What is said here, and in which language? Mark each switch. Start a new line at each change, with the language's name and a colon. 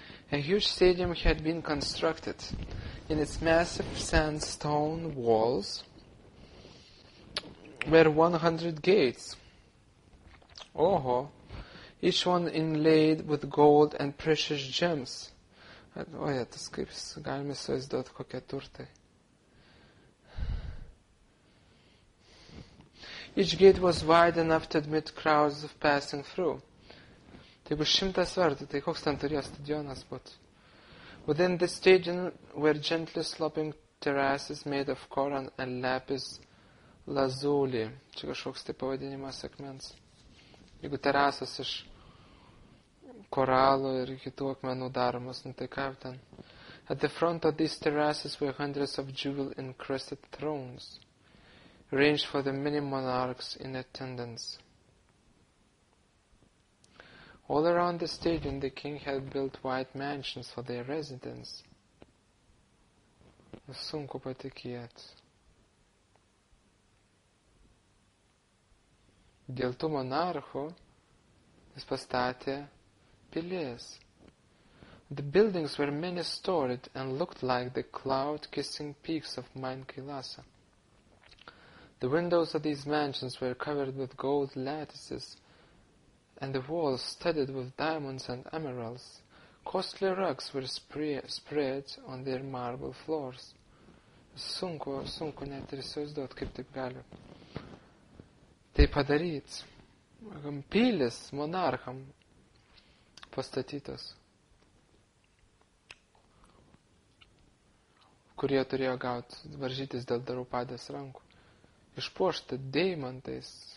English: A huge stadium had been constructed. In its massive sandstone walls were 100 gates. Oho! Each one inlaid with gold and precious gems.
Lithuanian: O, jėtas, kaip galime suvaizduoti, kokie turtai.
English: Each gate was wide enough to admit crowds of passing through.
Lithuanian: Tai bus 100 vartų, tai koks ten turėjo stadionas būti.
English: Within the stadium were gently sloping terraces made of coral and lapis lazuli.
Lithuanian: Čia kažkoks tai pavadinimas akmens. Jeigu terasas iš koralų ir kitų akmenų daromos, nu tai ką ten.
English: At the front of these terraces were hundreds of jewel encrusted thrones, ranged for the many monarchs in attendance. All around the stadium, the king had built white mansions for their residents.
Lithuanian: Sunku patikėti. Dėl tų monarchų jis pastatė pilies.
English: The buildings were many storied and looked like the cloud-kissing peaks of Mount Kailasa. The windows of these mansions were covered with gold lattices, and the walls studded with diamonds and emeralds. Costly rugs were spread on their marble floors.
Lithuanian: Sunku net ir įsivaizduot, kaip taip gali. Tai padaryt. Pilis monarcham pastatytos, kurie turėjo gauti varžytis dėl Draupadės rankų, išpuošti deimantais.